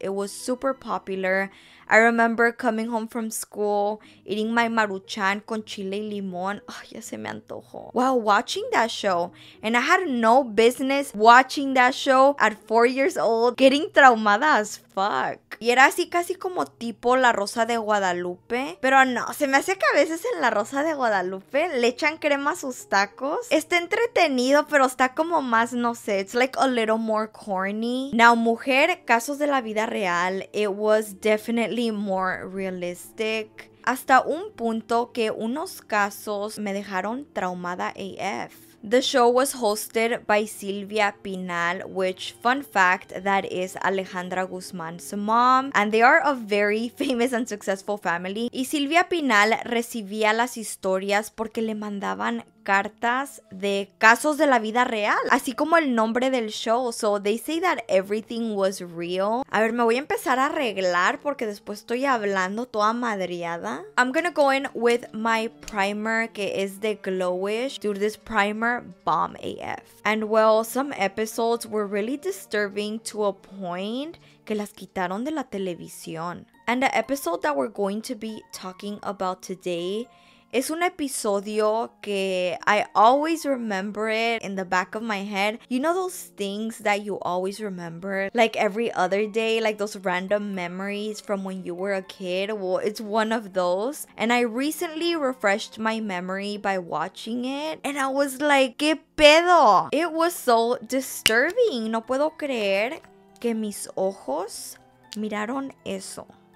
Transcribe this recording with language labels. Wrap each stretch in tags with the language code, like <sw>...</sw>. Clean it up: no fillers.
<en>It was super popular. I remember coming home from school, eating my maruchan</en> <es>con chile y limón.</es> <en>Oh,</en> <es>ya se me antojo.</es> <en>While watching that show, and I had no business watching that show at 4 years old, getting traumada as fuck.</en> <es>Y era así casi como tipo La Rosa de Guadalupe. Pero no, se me hace que a veces en La Rosa de Guadalupe le echan crema a sus tacos. Está entretenido, pero está como más, no sé,</es> <en>it's like a little more corny. Now, Mujer, Casos de la Vida Real, it was definitely more realistic.</en> <es>Hasta un punto que unos casos me dejaron traumada AF.</es> <en>The show was hosted by Silvia Pinal, which, fun fact, that is Alejandra Guzmán's mom. And they are a very famous and successful family.</en> <es>Y Silvia Pinal recibía las historias porque le mandaban cartas de casos de la vida real, así como el nombre del show.</es> <en>So they say that everything was real.</en> <es>A ver, me voy a empezar a arreglar porque después estoy hablando toda madriada.</es> <en>I'm gonna go in with my primer,</en> <es>que es de Glowish.</es> <en>Dude, this primer bomb AF. And well, some episodes were really disturbing to a point</en> <es>que las quitaron de la televisión.</es> <en>And the episode that we're going to be talking about today,</en> <es>es un episodio que</es> <en>I always remember it in the back of my head. You know those things that you always remember? Like every other day, like those random memories from when you were a kid. Well, it's one of those. And I recently refreshed my memory by watching it. And I was like,</en> <es>¿qué pedo?</es> <en>It was so disturbing.</en> <es>No puedo creer que mis ojos miraron eso.</es>